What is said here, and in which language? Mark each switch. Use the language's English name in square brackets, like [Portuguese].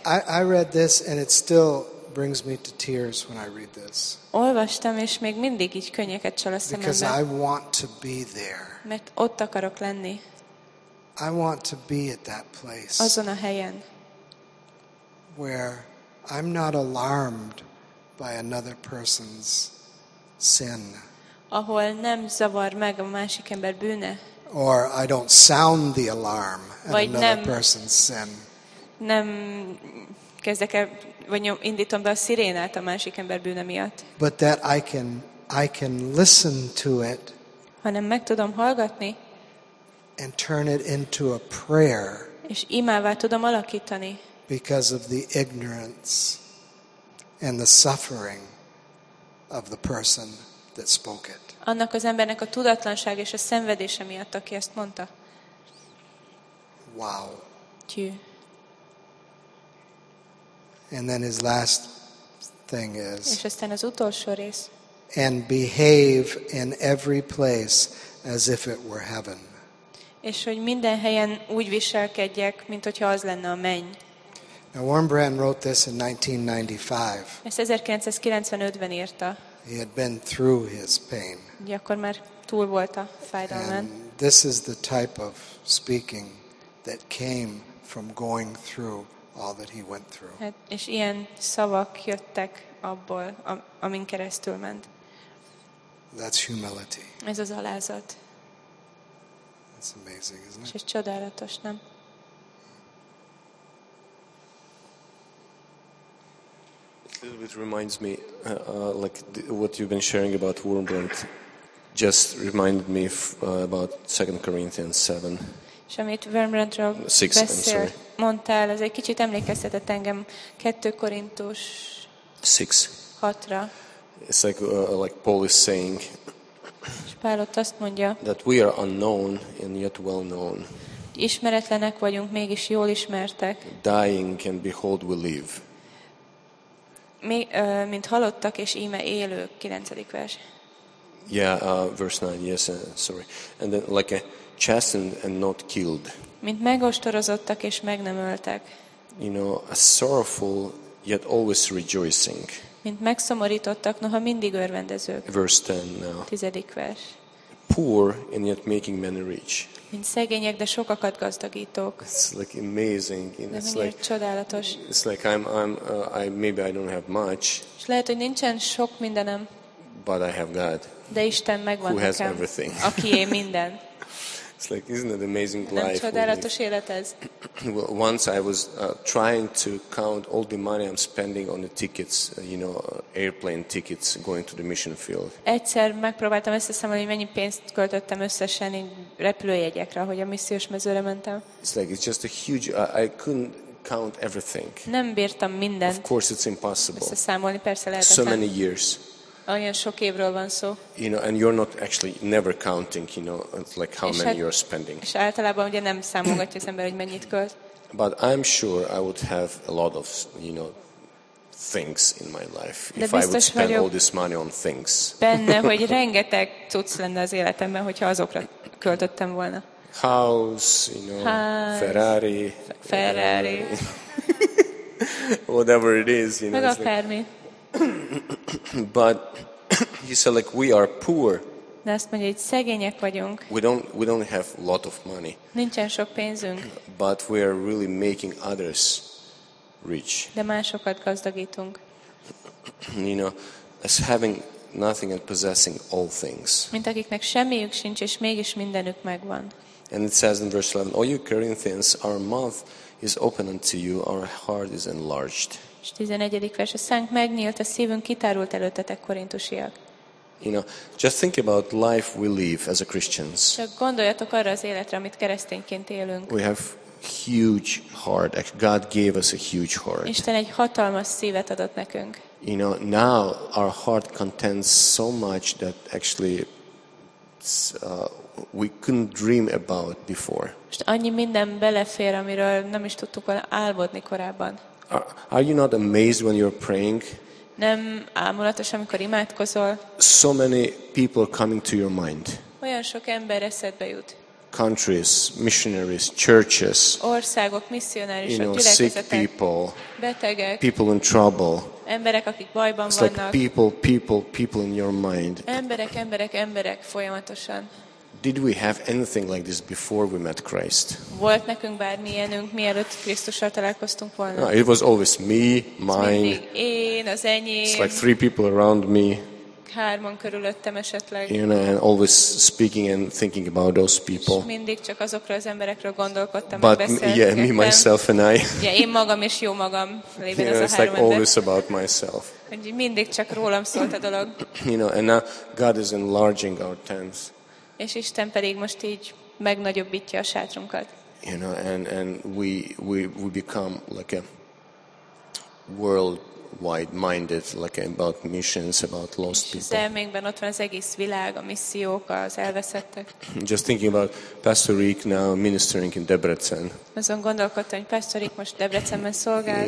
[English] I read this and it still brings me to tears when I read this. [Hungarian] Olvastam és még mindig így könnyeket csal a szememben. [English] Because I want to be there. [Hungarian] Mert ott akarok lenni. [English] I want to be at that place. [Hungarian] Azon a helyen. [English] Where I'm not alarmed by another person's sin. [Hungarian] ahol nem zavar meg a másik ember bűne. [English] Or I don't sound the alarm at another person's sin. [Hungarian] Nem kezdek el, vagy indítom be a szirénát a másik ember bűne miatt. [English] But that I can listen to it. [Hungarian] Hanem meg tudom hallgatni. [English] And turn it into a prayer. [Hungarian] És imává tudom alakítani. [English] Because of the ignorance and the suffering of the person that spoke it. [Hungarian] Annak az embernek a tudatlanság és a szenvedése miatt, aki ezt mondta. [English] Wow. [Hungarian] Tű. [English] And then his last thing is. [Hungarian] És aztán az utolsó rész. [English] And behave in every place as if it were heaven. [Hungarian] És hogy minden helyen úgy viselkedjek, mint hogyha az lenne a menny. [English] Now Warren Brand wrote this in 1995. [Hungarian] Ezt 1995-ben írta. [English] He had been through his pain. [Hungarian] Ugye akkor már túl volt a fájdalmán. [English] And this is the type of speaking that came from going through all that he went through. [Hungarian] Hát, és ilyen szavak jöttek abból, amin keresztül ment. [English] That's humility. [Hungarian] Ez az alázat. [English] That's amazing, isn't it? [Hungarian] És ez csodálatos, nem? [English] It reminds me, what you've been sharing about Wurmbrand just reminded me about 2 Corinthians 7. [Hungarian] És amit Wurmbrandról beszél, mondtál, ez egy kicsit emlékeztetett engem 2 Korintus 6-ra. [English] It's like Paul is saying [Hungarian] Pál ott azt mondja, [English] that we are unknown and yet well known. [Hungarian] Ismeretlenek vagyunk, mégis jól ismertek. [English] Dying and behold we live. [Hungarian] Mi, mint halottak és íme élők, 9. vers. [English] Yeah, verse 9. Yes, sorry. And then like a chastened and not killed. [Hungarian] Mint megostorozottak és meg nem öltek. [English] You know, a sorrowful yet always rejoicing. [Hungarian] Mint megszomorítottak, noha mindig örvendezők. [English] Verse 10 now. [Hungarian] 10. vers. [English] Poor and yet making many rich. [Hungarian] Mint szegények, de sokakat gazdagítók. [English] It's like amazing. [Hungarian] De miért csodálatos. [English] It's like maybe I don't have much. [Hungarian] És lehet, hogy nincsen sok mindenem. [English] But I have God. [Hungarian] De Isten megvan nekem. [English] Who has everything. [Hungarian] Aki é minden. [English] It's like, isn't it amazing life? [Hungarian] Nem csodálatos élet ez. [English] Well, once I was trying to count all the money I'm spending on the tickets, you know, airplane tickets going to the mission field. [Hungarian] Egyszer megpróbáltam összeszámolni, mennyi pénzt költöttem összesen repülőjegyekre, hogy a missziós mezőre mentem. [English] It's like, it's just a huge, I couldn't count everything. [Hungarian] Nem bírtam mindent. [English] Of course it's impossible. [Hungarian] Összeszámolni persze lehetetlen. [English] So many years. [Hungarian] Olyan sok évről van szó. [English] You know, and you're not actually never counting, you know, like how many you're spending. [Hungarian] És általában ugye nem számolgatja az ember, hogy mennyit költ. [English] But I'm sure I would have a lot of, you know, things in my life if I would spend all this money on things. [Hungarian] Benne, hogy rengeteg cucc lenne az életemben, hogyha azokra költöttem volna. [English] House, you know, [Hungarian] ház, Ferrari. Ferrari. [English] Whatever it is, you know. [Hungarian] Meg akármi. [English] But he said, like, we are poor. [Hungarian] De azt mondja, hogy szegények vagyunk. [English] We don't have a lot of money. [Hungarian] Nincsen sok pénzünk. [English] But we are really making others rich. [Hungarian] De másokat gazdagítunk. [English] You know, as having nothing and possessing all things. [Hungarian] Mint akiknek semmiük sincs, és mégis mindenük megvan. [English] And it says in verse 11, O you Corinthians, our mouth is open unto you, our heart is enlarged. [Hungarian] És 11. vers, a szánk megnyílt, a szívünk kitárult előttetek, korintusiak. [English] You know, just think about life we live as a Christians. [Hungarian] Csak gondoljatok arra az életre, amit keresztényként élünk. [English] We have huge heart. God gave us a huge heart. [Hungarian] Isten egy hatalmas szívet adott nekünk. [English] You know, now our heart contains so much that actually we couldn't dream about before. [Hungarian] És annyi minden belefér, amiről nem is tudtuk volna álmodni korábban. [English] Are you not amazed when you're praying? [Hungarian] Nem álmulatos, amikor imádkozol. [English] So many people coming to your mind. [Hungarian] Olyan sok ember eszedbe jut. [English] Countries, missionaries, churches. [Hungarian] Országok, missionáriusok, [English] you know, [Hungarian] gyülekezetek. [English] Sick people. [Hungarian] Betegek. [English] People in trouble. [Hungarian] Emberek, akik bajban [English] It's [Hungarian] vannak. [English] Like people in your mind. [Hungarian] Emberek folyamatosan. [English] Did we have anything like this before we met Christ? [Hungarian] Volt nekünk bármilyenünk, mielőtt Krisztussal találkoztunk volna? [English] No, it was always me, mine. [Hungarian] Én, az enyém. [English] It's like three people around me. [Hungarian] hárman körülöttem esetleg. [English] You know, and always speaking and thinking about those people. [Hungarian] És mindig csak azokra az emberekről gondolkodtam, [English] but [Hungarian] meg beszélgettem. [English] But yeah, me, myself and I. [Hungarian] Yeah, én magam és jó magam. [English] You know, it's like always about myself. [Hungarian] Mindig csak rólam szólt a dolog. [English] You know, and now God is enlarging our tents. [Hungarian] És Isten pedig most így megnagyobbítja a sátrunkat. [English] You know, and we become like a worldwide minded, like about missions, about lost people. [Hungarian] Szemünkben ott van az egész világ, a missziók, az elveszettek. [English] Just thinking about Pastor Rick now ministering in Debrecen. [Hungarian] Azon gondolkodtam, hogy Pastor Rick most Debrecenben szolgál.